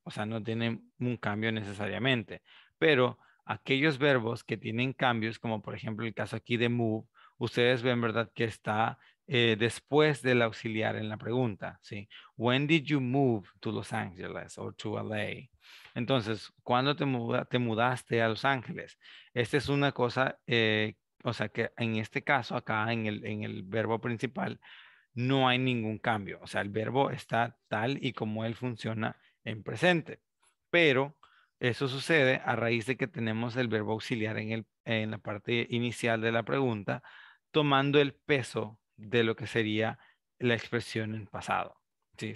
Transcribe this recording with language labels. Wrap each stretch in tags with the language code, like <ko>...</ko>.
<es>O sea, no tiene un cambio necesariamente. Pero aquellos verbos que tienen cambios, como por ejemplo el caso aquí de move, ustedes ven, ¿verdad?, que está después del auxiliar en la pregunta, ¿sí?</es> <en>When did you move to Los Angeles or to LA?</en> <es>Entonces, ¿cuándo te mudaste a Los Ángeles? Esta es una cosa, o sea, que en este caso acá, en el verbo principal, no hay ningún cambio. O sea, el verbo está tal y como él funciona en presente. Pero eso sucede a raíz de que tenemos el verbo auxiliar en la parte inicial de la pregunta, tomando el peso de lo que sería la expresión en pasado. ¿Sí?</es>